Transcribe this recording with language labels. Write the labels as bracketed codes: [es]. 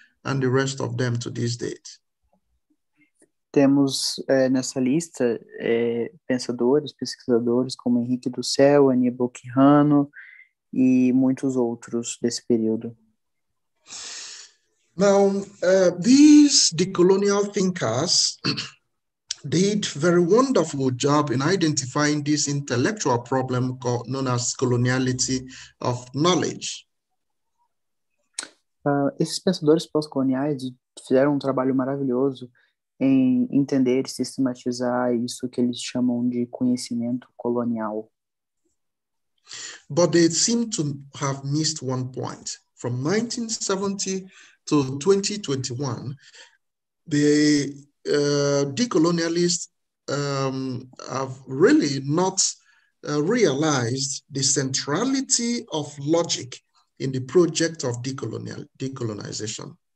[en] and the rest of them to this date. [pt] Temos nessa lista pensadores, pesquisadores como Henrique do Céu, Aníbal Quijano e muitos outros desse período. [en] Now, these decolonial thinkers did very wonderful job in identifying this intellectual problem called, known as coloniality of knowledge. [pt] Esses pensadores pós-coloniais fizeram um trabalho maravilhoso em entender e sistematizar isso que eles chamam de conhecimento colonial. [en] But they seem to have missed one point. From 1970 to 2021, the decolonialists have really not realized the centrality of logic in the project of decolonization.